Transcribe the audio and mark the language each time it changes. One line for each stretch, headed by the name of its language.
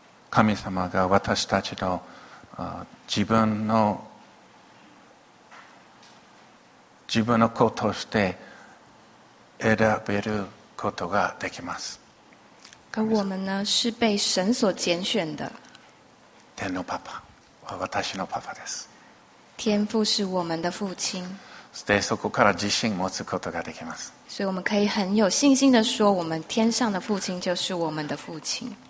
Japanese: 神様が私たちの自分の子として選べることができます。
Chinese: 而我们呢是被神所拣选的。
Japanese: 天のパパは私のパパです。
Chinese: 天父是我们的父亲。
Japanese: でそこから自信持つことができます。
Chinese: 所以我们可以很有信心的说，我们天上的父亲就是我们的父亲。